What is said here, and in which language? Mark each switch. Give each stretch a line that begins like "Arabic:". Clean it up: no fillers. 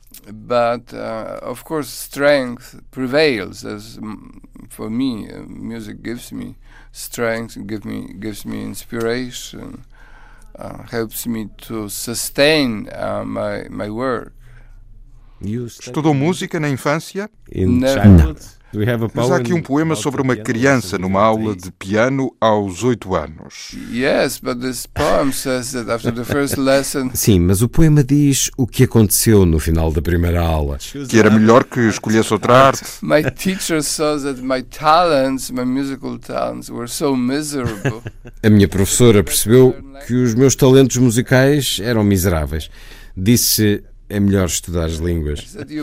English: But of course, strength prevails. As for me, music gives me strength, gives me inspiration, helps me to sustain my work.
Portuguese: Estudou música na infância?
English: Never.
Portuguese: Mas há aqui um poema sobre uma criança numa aula de piano aos 8 anos.
English: Yes, but this poem says that after the first lesson.
Portuguese: Sim, mas o poema diz o que aconteceu no final da primeira aula. Que era melhor que escolhesse outra arte.
English: My teacher saw that my talents, my musical talents, were so miserable.
Portuguese: A minha professora percebeu que os meus talentos musicais eram miseráveis. Disse: é melhor estudar as línguas.